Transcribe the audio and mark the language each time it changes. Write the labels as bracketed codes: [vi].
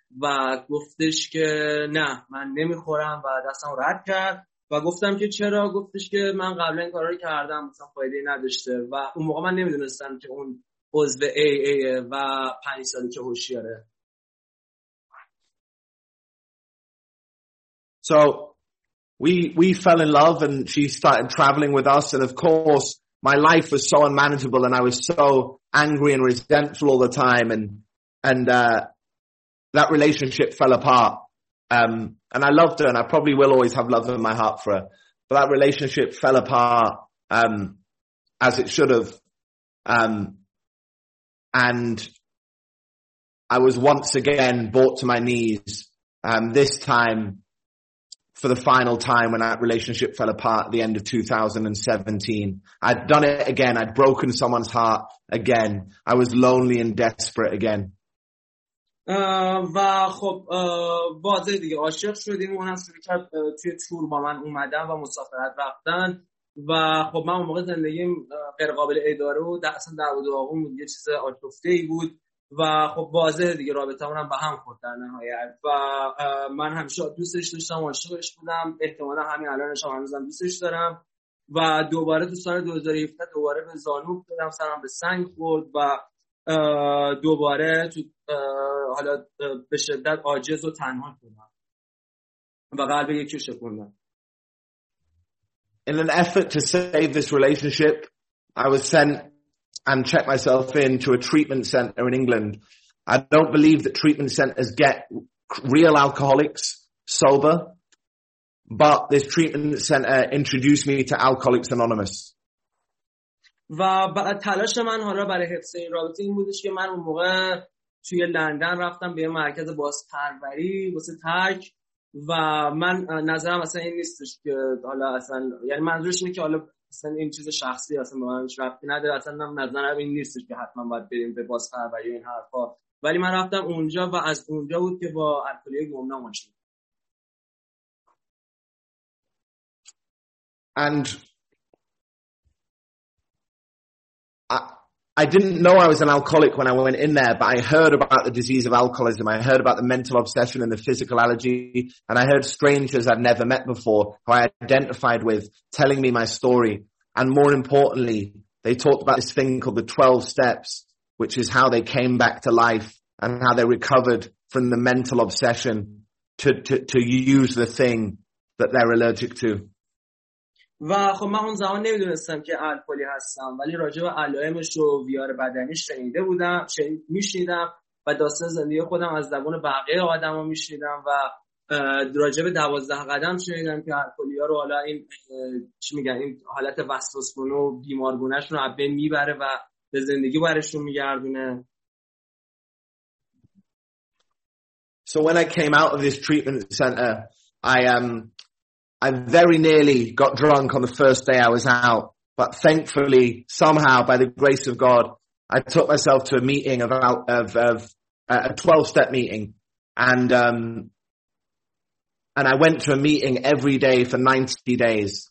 [fa] و گفتش که نه من نمی‌خورم و دستم رد کرد و گفتم که چرا؟ گفتش که من قبلا این کارا رو کردم مثلا فایده‌ای نداشته و اون موقع من نمیدونستم که اون عضو AA و 5 سالی که هوشیاره. [en] So we fell in love and she started traveling with us and of course my life was so unmanageable and I was so angry and resentful all the time and that relationship fell apart. And I loved her, and I probably will always have love in my heart for her. But that relationship fell apart, as it should have. And I was once again brought to my knees, this time for the final time when that relationship fell apart at the end of 2017. I'd done it again. I'd broken someone's heart again. I was lonely and desperate again. [fa] و خب واضح دیگه عاشق شدیم، اون هم شروع کرد توی تور با من اومدن و مسافرت رفتن و خب من اون موقع زندگیم غیر قابل اداره و اصلا در و داغون بود، یه چیز آشفته‌ای بود و خب واضحه دیگه رابطه‌مون هم به هم خورد در نهایت و من همیشه دوستش داشتم و عاشقش بودم، احتمالا همین الانش هم هنوزم دوستش دارم و دوباره تو سال 2017 دوباره به زانو افتادم، سرم به سنگ خورد و دوباره تو حالا به شدت عاجز و تنها شدم و قلب یکی رو شکوندم. [en] In an effort to save this relationship, I was sent and checked myself in to a treatment center in England. I don't believe that treatment centers get real alcoholics sober, but this treatment center introduced me to Alcoholics Anonymous. [fa] و تلاش من حالا برای حفظ این رابطه این بودش که من اون موقع توی لندن رفتم به مرکز بازپروری واسه ترک و من نظرم اصلا این نیستش که حالا اصلا، یعنی منظورش اینه که حالا اصلا این چیز شخصی اصلا به منش ربطی نداره، اصلا نظرم این نیستش که حتما باید بریم به بازپروری این حرفا، ولی من رفتم اونجا و از اونجا بود که با الکلی گمنام شدم. [en] And I didn't know I was an alcoholic when I went in there, but I heard about the disease of alcoholism. I heard about the mental obsession and the physical allergy. And I heard strangers I'd never met before, who I identified with, telling me my story. And more importantly, they talked about this thing called the 12 steps, which is how they came back to life and how they recovered from the mental obsession to use the thing that they're allergic to. [fa] و خب من اون زمان نمیدونستم که الکلی هستم، ولی راجع به علائمش و ویار بدنی شنیده بودم، میشنیدم و داستان زندگی خودم از زبان بقیه آدم ها میشنیدم و راجع به 12 قدم شنیدم که الکلی ها رو حالا این چی میگن این حالت وسواس گونه و بیمارگونه شون رو از بین میبره و به زندگی برشون میگردونه. [en] So when I came out of this treatment center, I very nearly got drunk on the first day I was out, but thankfully, somehow, by the grace of God, I took myself to a meeting of a 12-step meeting, and I went to a meeting every day for 90 days.